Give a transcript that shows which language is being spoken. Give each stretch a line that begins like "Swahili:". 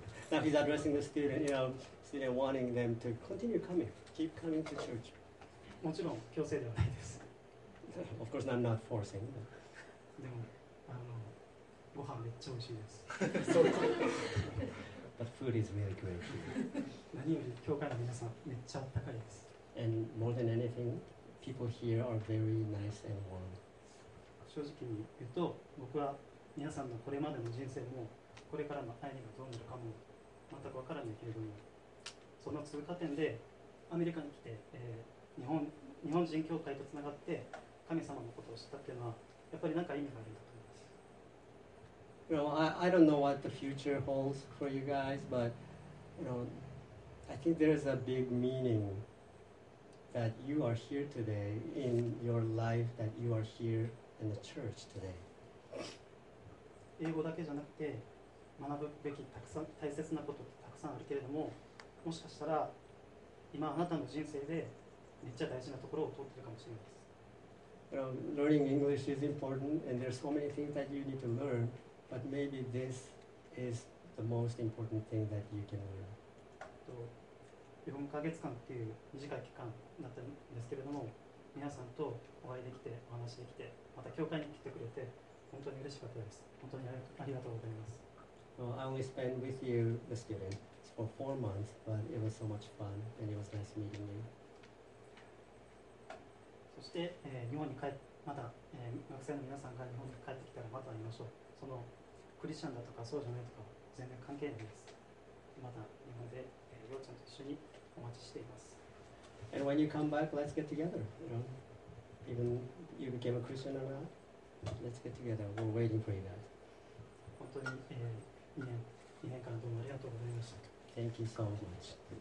English: Now he's addressing the student, you know, student wanting them to continue coming, keep coming to church.
Japanese: もちろん強制ではないです。
English: Of course, I'm not forcing.
Japanese: でもご飯めっちゃ美味しいです。
English: But food is really great.
Japanese: 何より教会の皆さんめっちゃあったかいです。
English: And more than anything, people here are very nice and warm.
Japanese: 正直に言うと、僕は皆さんのこれまでの人生も、これからの愛がどうなるかも全く分からないけれども、その通過点でアメリカに来て、日本人教会とつながって神様のことを知ったっていうのは、やっぱり何か意味があるんだと思います。
English: You know, I don't know what the future holds for you guys, but you know, I think there's a big meaning that you are here today in your life, that you are here. In the church today.
Japanese: 英語だけじゃなくて学ぶべきたくさん大切なことたくさんあるけれども、もしかしたら今あなたの人生でめっちゃ大事なところを通ってるかもしれないです。
English: Learning English is important, and there are so many things that you need to learn. But maybe this is the most important thing that you can learn.
Japanese: 4ヶ月間っていう短い期間だったんですけれども、皆さんとお会いできてお話できて。また教会に来てくれて本当に嬉しかったです。本当にありがとうございます。
English: So、I only spent with you, the student, for 4 months, but it was so much fun, and it was nice meeting you.
Japanese: そして、日本に帰っまた、学生の皆さんが日本に帰ってきたらまた会いましょう。そのクリスチャンだとかそうじゃないとか全然関係ないです。また日本で、ようちゃんと一緒にお待ちしています。
English: And when you come back, let's get together. You know, even You became a Christian or not? Let's get together. We're waiting for you guys.
Japanese: 本当に、2年間どうもありがとうございました。
English: Thank you so much.